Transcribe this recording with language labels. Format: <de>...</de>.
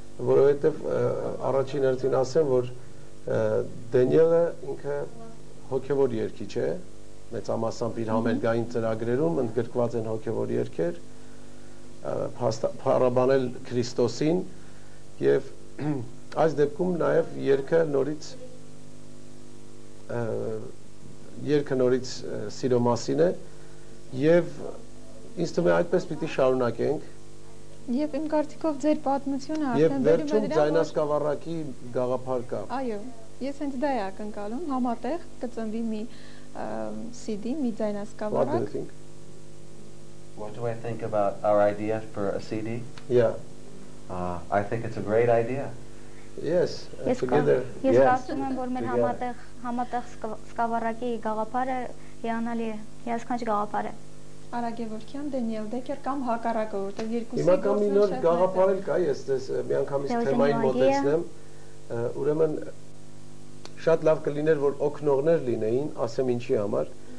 <hy>որովհետեւ առաջին հերթին ասեմ, որ Դենիելը ինքը հոգևոր երգիչ է, մեծամասամբ իր համերգային ծրագրերում ընդգրկված են հոգևոր երգեր, փառաբանել Քրիստոսին, եւ այս դեպքում նաև երգը նորից երկը նորից սիրո մասին է, եւ ինձ թվում է այդպես պիտի շարունակենք, եւ իմ կարծիքով ձեր պատմությունը արդեն վերում է դրան, եւ վերջում ձայնասկավառակի գաղափար կա, այո, ես հենց դա եակ ընկալում, համատեղ կծնվի մի CD, մի ձայնասկավառակ։</hy> <en>What do you think? What do I think about our idea for a CD? Yeah. I think it's a great idea. Yes, yes, together.</en> <hy>Ես կարծում եմ, որ մեր համատեղ համատեղ սկավառակի գաղափարը հիանալի է, հիասքանչ գաղափար է։ Ara Gevorgyan, Դենիել Դեքեր կամ հակառակը, որտեղ երկուսը։ Հիմա կամ մի նոր գաղափար էլ կա, ես ձեզ միանգամից թեմային մոտեցնեմ։ Ուրեմն շատ լավ կլիներ, որ օգնողներ լինեին, ասեմ ինչի համար,</hy>